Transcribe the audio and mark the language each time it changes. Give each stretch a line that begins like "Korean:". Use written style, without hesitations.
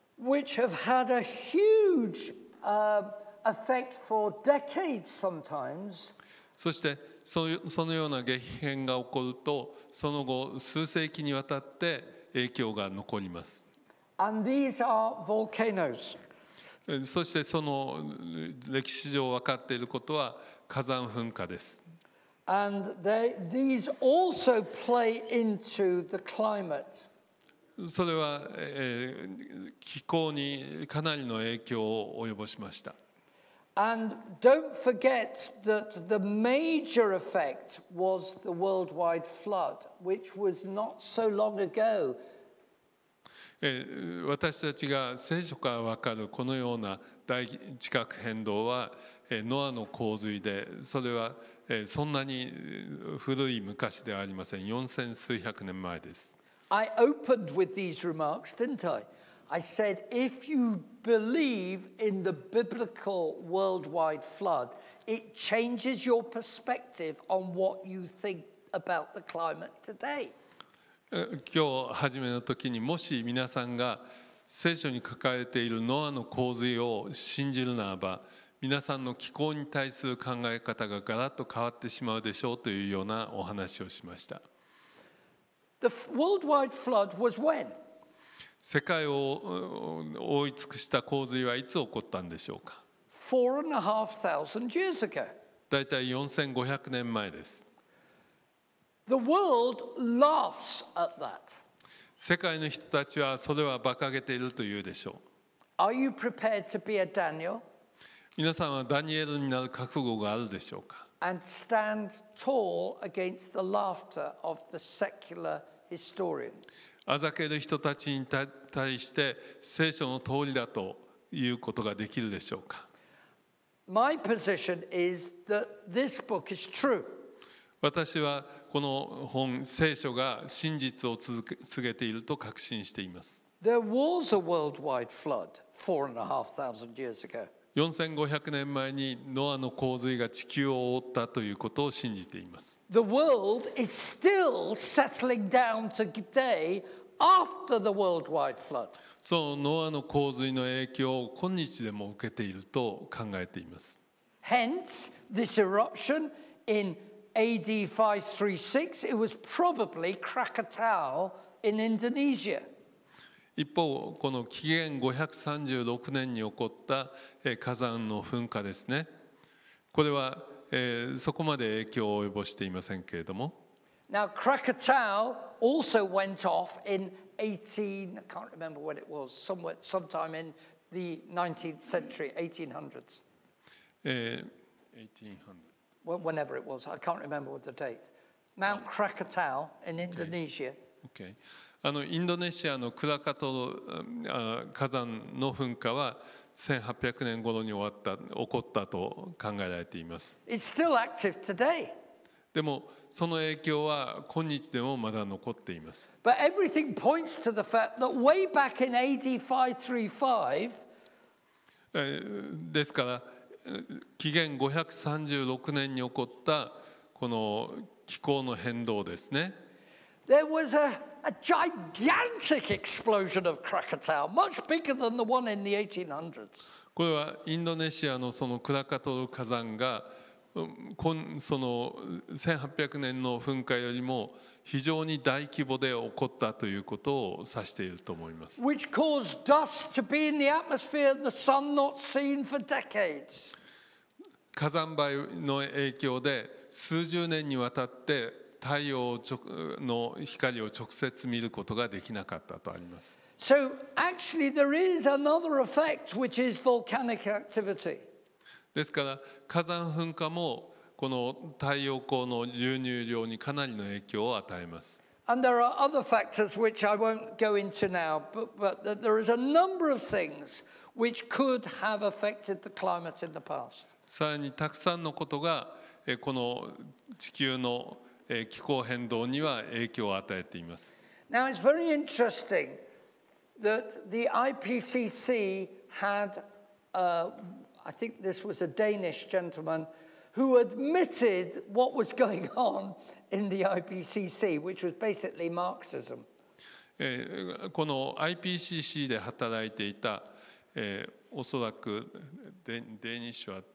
English: Which have had a huge effect for decades sometimes.
Japanese: そしてそのような激変が起こるとその後数世紀にわたって影響が残ります。
English: And these are volcanoes.
Japanese: そしてその歴史上分かっていることは火山噴火です。
English: And these also play into the climate.
Japanese: それは、気候にかなりの影響を及ぼしました。
English: And don't forget that the major effect was the worldwide flood, which was not so long ago.
Japanese: 私たちが聖書から分かるこのような大地殻変動は、ノアの洪水で、それはそんなに古い昔ではありません。 4000数百年前です。
English: I opened with these remarks, didn't I? I said, if you believe in the biblical worldwide flood, it changes your perspective on what you think about the climate today.
Japanese: 今日初めの時に、もし皆さんが聖書に書かれているノアの洪水を信じるならば、皆さんの気候に対する考え方がガラッと変わってしまうでしょうというようなお話をしました。
English: The worldwide flood was when?
Japanese: 世界を覆い尽くした洪水はいつ起こったんでしょうか。
English: 4,500 years ago.
Japanese: だいたい4500年前です。
English: The world laughs at that.
Japanese: 世界の人たちはそれは馬鹿げているというでしょう。
English: Are you prepared to be a Daniel?
Japanese: 皆さんはダニエルになる覚悟があるでしょうか。
English: And stand tall against the laughter of the secular historians.
Japanese: あざける人たちに対して聖書の通りだということができるでしょうか。
English: My position is that this book is true.
Japanese: 私はこの本、聖書が真実を告げていると確信しています。
English: There was a worldwide flood 4,500 years ago.
Japanese: 4500年前にノアの洪水が地球を覆ったということを信じています。
English: The world is still settling down today after the worldwide flood.
Japanese: そのノアの洪水の影響を今日でも受けていると考えています。
English: Hence this eruption in AD 536 it was probably Krakatau in Indonesia.
Japanese: 一方、この紀元536年に起こった火山の噴火ですね。これはそこまで影響を及ぼしていませんけれども。
English: Now, Krakatau also went off in 18, I can't remember when it was, somewhere, sometime in the 19th century, 1800s. 1800. Whenever it was, I can't remember the date. Mount Krakatau in Indonesia. Okay. Okay.
Japanese: インドネシアのクラカトロ火山の噴火は1800年頃に起こったと考えられています。
English: It's still active today.
Japanese: でもその影響は今日でもまだ残っています。
English: But everything points to the fact that way back in AD 535,
Japanese: ですから紀元536年に起こったこの気候の変動ですね。
English: There was aA gigantic explosion of Krakatau, much bigger than the one in the 1800s.
Japanese: これはインドネシアのそのクラカトル火山が、その1800年の噴火よりも非常に大規模で起こったということを指していると思います。
English: Which caused dust to be in the atmosphere and the sun not seen for decades.
Japanese: 火山灰の影響で数十年にわたって太陽の光を直接見ることができなかったとあります。
English: So actually there is another effect which is volcanic activity.
Japanese: ですから火山噴火もこの太陽光の流入量にかなりの影響を与えます。
English: And there are other factors which I won't go into now, but there is a number of things which could have affected the climate in the past.
Japanese: さらにたくさんのことがこの地球の気候変動には影響を与えています。
English: Now it's very interesting that the IPCC had I think this was a Danish gentleman who admitted what was going on in the IPCC, which was basically Marxism.
Japanese: この IPCC で働いていた、おそらくデニッシュは